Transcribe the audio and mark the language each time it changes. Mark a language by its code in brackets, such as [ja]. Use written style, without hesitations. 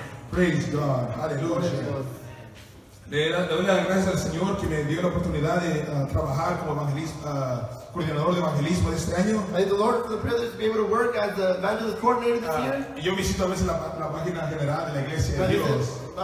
[en] Praise God. [es] Aleluya. Le doy las gracias al Señor que me dio la oportunidad de trabajar como evangelista, coordinador de evangelismo de este año. [en] Thank the Lord for the privilege to be able to work as the evangelist coordinator this year. [es] Y yo visito a veces la página general de la Iglesia de Dios.